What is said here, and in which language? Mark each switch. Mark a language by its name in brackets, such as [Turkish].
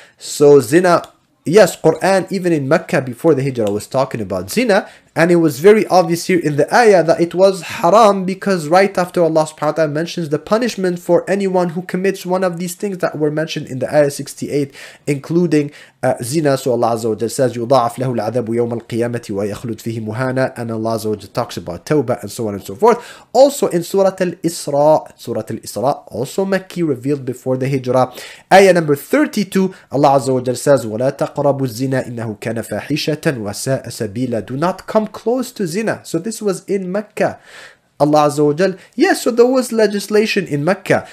[English] So zina, yes, Quran, even in Mecca before the Hijrah, was talking about zina. And it was very obvious here in the ayah that it was haram, because right after Allah subhanahu wa ta'ala mentions the punishment for anyone who commits one of these things that were mentioned in the ayah 68, including zina. So Allah Azza wa Jalla says, [Arabic] يُضَعَفْ لَهُ الْعَذَبُ يَوْمَ الْقِيَامَةِ وَيَخْلُدْ فِيهِ مُهَانًا. [English] And Allah Azza wa Jalla talks about tawbah and so on and so forth. Also in Surah Al-Isra, also Makki, revealed before the Hijrah, ayah number 32, Allah Azza wa Jalla says, [Arabic] وَلَا تَقْرَبُوا الزِّنَا إِنَّهُ كَانَ فَاحِشَةً وَسَاءَ سَبِيلًا. [English] Do not come close to zina. So this was in Mecca. Allah Azza wa Jal, yes, so there was legislation in Mecca.